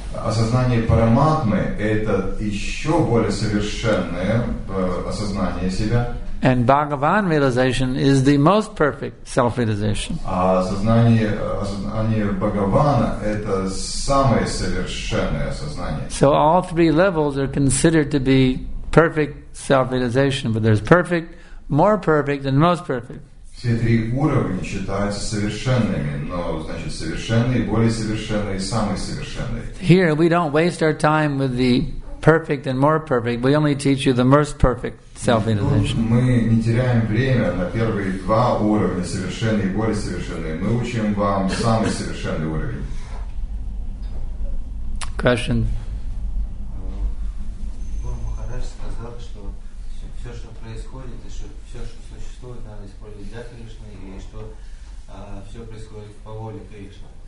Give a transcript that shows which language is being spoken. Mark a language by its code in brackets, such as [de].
[ru] Осознание параматмы – это еще более совершенное осознание себя. [en] And Bhagavan realization is the most perfect self-realization. [ru] Осознание Бхагавана – это самое совершенное осознание. [en] So all three levels are considered to be perfect self-realization, but there's perfect, more perfect, and most perfect. [ru] Все три уровня считаются совершенными, но значит совершенный, более совершенный, самый совершенный. [en] Here we don't waste our time with the perfect and more perfect, we only teach you the most perfect self-realization. [ru] Мы не теряем время на первые два уровня, совершенный и более совершенный. Мы учим вам самый совершенный уровень. [en] Question. [ru] Гуру Махарадж сказал, что все, что происходит, и все, что существует, надо использовать для Кришны, и что все происходит по воле Кришны.